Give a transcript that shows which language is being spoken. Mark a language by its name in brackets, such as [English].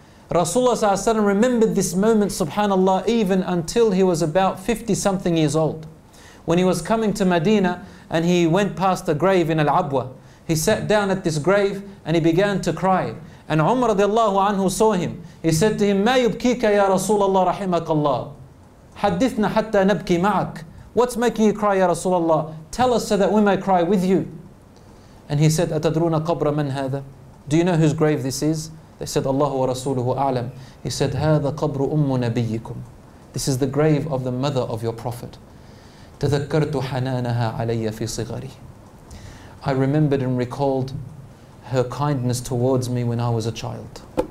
[English] Rasulullah sallallahu alayhi wa sallam remembered this moment, subhanAllah, even until he was about 50-something years old. When he was coming to Medina and he went past a grave in Al-Abwa, he sat down at this grave and he began to cry. And Umar radiallahu anhu saw him. He said to him, [Arabic] مَا يُبْكِيكَ يَا رَسُولَ اللَّهِ رَحِمَكَ اللَّهِ حَدِّثْنَا حَتَّى نَبْكِي مَعَكَ. [English] What's making you cry, Ya Rasulullah? Tell us so that we may cry with you. And he said, [Arabic] أَتَدْرُونَ قَبْرَ مَنْ هَذَا? [English] Do you know whose grave this is? They said, Allahu wa Rasuluhu A'lam. He said, [Arabic] هَذَا قَبْرُ أُمُّ نَبِيِّكُمْ. [English] This is the grave of the mother of your prophet. [Arabic] تَذَكَّرْتُ حَنَانَهَا عَلَيَّ فِي صِغَرِي [English] I remembered and recalled her kindness towards me when I was a child.